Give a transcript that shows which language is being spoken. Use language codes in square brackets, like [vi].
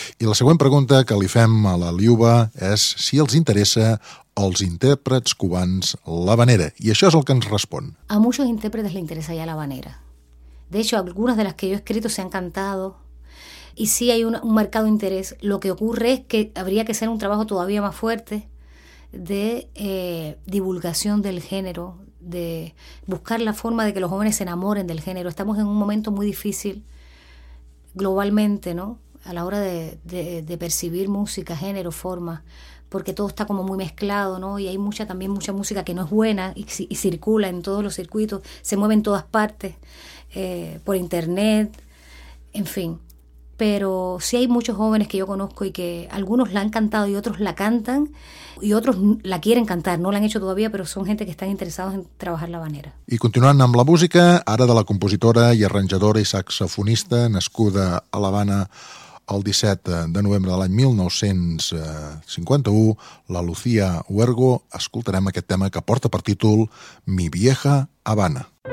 [ca] I la següent pregunta que li fem a la Liuba és si els interessa els intèrprets cubans l'habanera. I això és el que ens respon. [es] A muchos intérpretes le interesa ya l'habanera. De hecho, algunas de las que yo he escrito se han cantado. Y sí hay un marcado interés. Lo que ocurre es que habría que hacer un trabajo todavía más fuerte de divulgación del género, de buscar la forma de que los jóvenes se enamoren del género. Estamos en un momento muy difícil globalmente, ¿no? A la hora de percibir música, género, forma, porque todo está como muy mezclado, ¿no? Y hay mucha música que no es buena y circula en todos los circuitos, se mueve en todas partes, por internet, en fin. Pero sí hay muchos jóvenes que yo conozco y que algunos la han cantado y otros la cantan y otros la quieren cantar, no la han hecho todavía, pero son gente que están interesados en trabajar la habanera. [ca] I continuant amb la música, ara de la compositora i arranjadora i saxofonista nascuda a La Habana el 17 de novembre de l'any 1951, la Lucía Huergo, escoltarem aquest tema que porta per títol Mi vieja Habana.